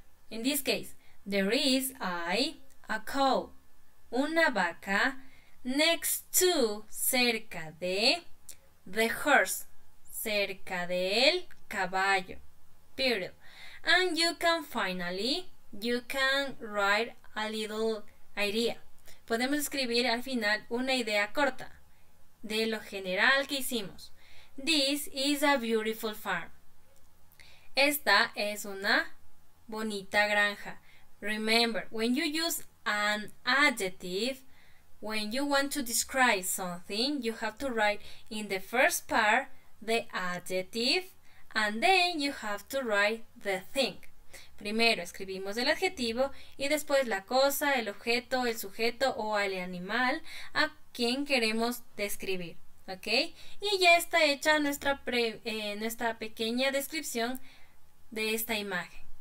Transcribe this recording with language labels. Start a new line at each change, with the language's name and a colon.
English: In this case, there is a cow,
Spanish: una vaca,
English: next to,
Spanish: cerca de,
English: the horse,
Spanish: cerca del caballo.
English: Period. And you can finally, you can write a little idea.
Spanish: Podemos escribir al final una idea corta de lo general que hicimos.
English: This is a beautiful farm.
Spanish: Esta es una bonita granja.
English: Remember, when you use an adjective, when you want to describe something, you have to write in the first part the adjective and then you have to write the thing.
Spanish: Primero escribimos el adjetivo y después la cosa, el objeto, el sujeto o el animal a quien queremos describir. ¿Ok? Y ya está hecha nuestra pequeña descripción de esta imagen.